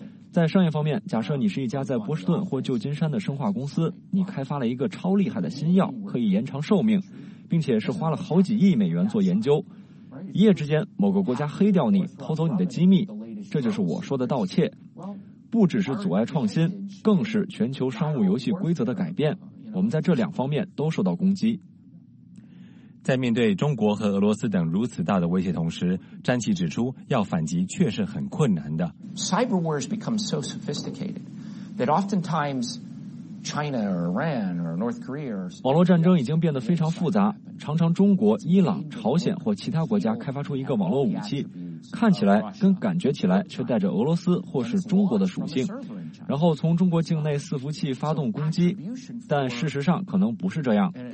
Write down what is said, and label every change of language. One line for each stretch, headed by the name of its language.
Chinese: 在商业方面，假设你是一家在波士顿或旧金山的生化公司，你开发了一个超厉害的新药，可以延长寿命，并且是花了好几亿美元做研究，一夜之间某个国家黑掉你，偷走你的机密，这就是我说的盗窃。不只是阻碍创新，更是全球商务游戏规则的改变，我们在这两方面都受到攻击。在面对中国和俄罗斯等如此大的威胁同时，詹奇指出要反击确实很困难的。
English: Cyber war has become so sophisticated that oftentimes China or Iran or North Korea.
Chinese: 网络战争已经变得非常复杂，常常中国、伊朗、朝鲜或其他国家开发出一个网络武器，看起来跟感觉起来却带着俄罗斯或是中国的属性，然后从中国境内伺服器发动攻击，但事实上可能不是这样。